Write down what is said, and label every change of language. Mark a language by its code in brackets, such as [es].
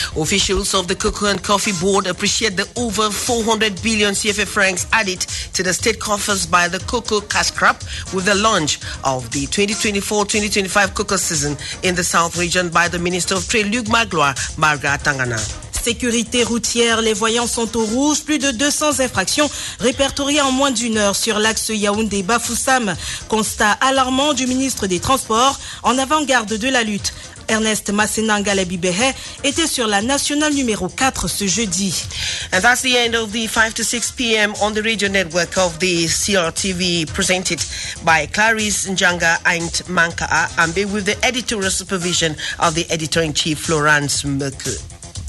[en] Officials of the Cocoa and Coffee Board appreciate the over 400 billion CFA francs added to the state coffers by the cocoa cash crop with the launch of the 2024-2025 cocoa season in the South Region by the Minister of Trade, Luc Magloire, Margaret Tangana. [fr] Sécurité routière, les voyants sont au rouge. Plus de 200 infractions répertoriées en moins d'une heure sur l'axe Yaoundé-Bafoussam. Constat alarmant du ministre des Transports en avant-garde de la lutte. Ernest Massenangalebibehe était sur la nationale numéro 4 ce jeudi. [en] And that's the end of the 5 to 6 p.m. on the radio network of the CRTV presented by Clarisse Njanga and Manka Ambe with the editorial supervision of the editor-in-chief Florence Mercure.